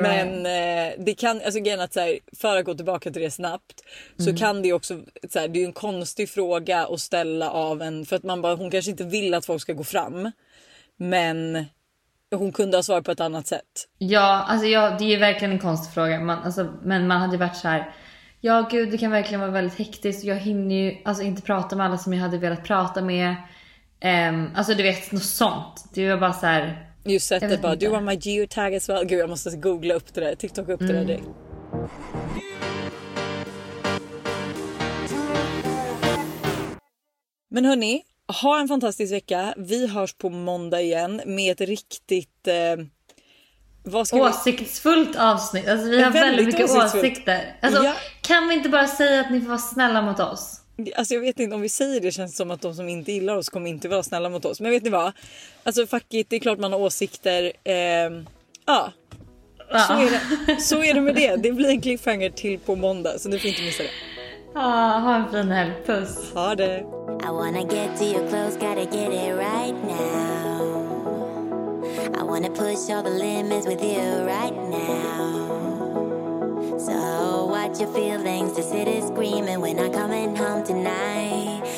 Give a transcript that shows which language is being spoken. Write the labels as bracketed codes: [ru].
[sv] Men det kan, alltså grejen att så här, för att gå tillbaka till det snabbt, så kan det ju också, så här, det är ju en konstig fråga att ställa av en, för att man bara, hon kanske inte vill att folk ska gå fram, men hon kunde ha svarat på ett annat sätt. Ja, alltså ja, det är ju verkligen en konstig fråga, man, alltså, men man hade varit så här. Ja gud, det kan verkligen vara väldigt hektiskt, jag hinner ju alltså inte prata med alla som jag hade velat prata med. Alltså du vet, något sånt. Det var bara så här, just sättet bara, [en] do you want my geotag as well? [sv] Gud, jag måste googla upp det där, TikTok upp det där direkt. Men hörni, ha en fantastisk vecka. Vi hörs på måndag igen med ett riktigt åsiktsfullt avsnitt. Alltså vi har väldigt mycket åsikter. Alltså, ja. Kan vi inte bara säga att ni får vara snälla mot oss? Alltså jag vet inte, om vi säger det känns som att de som inte gillar oss kommer inte vara snälla mot oss. Men vet ni vad? Alltså fuck it, det är klart man har åsikter. Ja. Så är det med det. Det blir en cliffhanger till på måndag, så du får inte missa det. Ja, ha en fin helg. Puss. Ha det. [en] I wanna get to your clothes, gotta get it right now. I wanna push all the limits with you right now. So watch your feelings, the city's screaming, we're not coming home tonight.